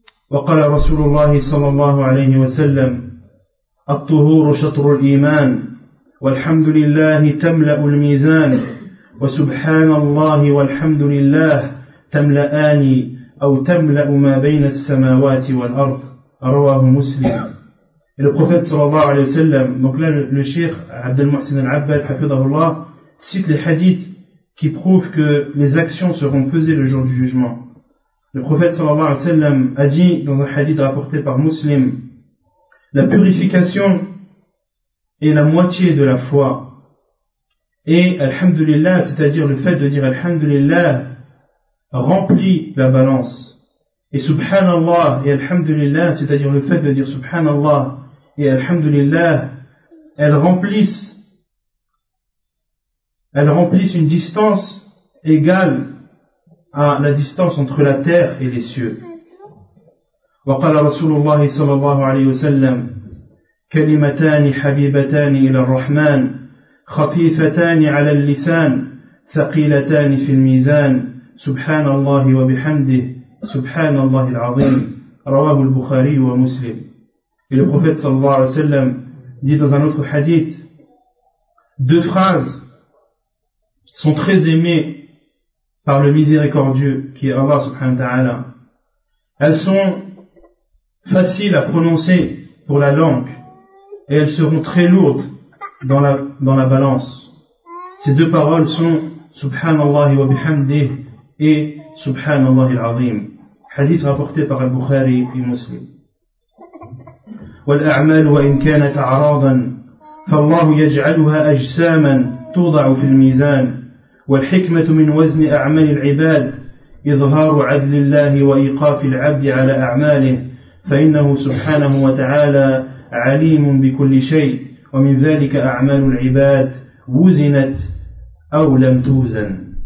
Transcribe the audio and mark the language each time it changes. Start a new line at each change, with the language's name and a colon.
Arabic: وقال رسول الله صلى الله عليه وسلم الطهور شطر الإيمان والحمد لله تملأ الميزان وسبحان الله والحمد لله تملأني أو تملأ ما بين السماوات والأرض رواه مسلم.
French: Et le prophète sallallahu alayhi wa sallam, donc là le cheikh Abdel Mohsin Al-Abbad, hafidhahullah, cite les hadiths qui prouvent que les actions seront pesées le jour du jugement. Le prophète sallallahu alayhi wa sallam a dit dans un hadith rapporté par Muslim, la purification est la moitié de la foi. Et alhamdulillah, c'est-à-dire le fait de dire alhamdulillah, remplit la balance. Et subhanallah et alhamdulillah, c'est-à-dire le fait de dire subhanallah et alhamdulillah, elles remplissent une distance égale à la distance entre la terre et les cieux.
Arabic: Wa qala Rasulullah sallallahu alayhi wa sallam, kalimatani habibatani ila ar-Rahman, khafifatani ala al-lisan, thaqilatani fil mizan, subhanallah wa bihamdihi. سبحان الله العظيم رواه البخاري ومسلم.
French: Et le prophète sallallahu alayhi wa sallam dit dans un autre hadith, deux phrases sont très aimées par le miséricordieux qui est Allah subhanahu wa ta'ala. Elles sont faciles à prononcer pour la langue et elles seront très lourdes dans la balance. Ces deux paroles sont
Arabic: subhanallahi wa bihamdih
French: et
Arabic: subhanallahi al-azim.
French: Hadith rapporté par Al-Bukhari et Muslim.
Arabic: والأعمال وإن كانت أعراضا فالله يجعلها أجساما توضع في الميزان والحكمة من وزن أعمال العباد إظهار عدل الله وإيقاف العبد على أعماله فإنه سبحانه وتعالى عليم بكل شيء ومن ذلك أعمال العباد وزنت أو لم توزن.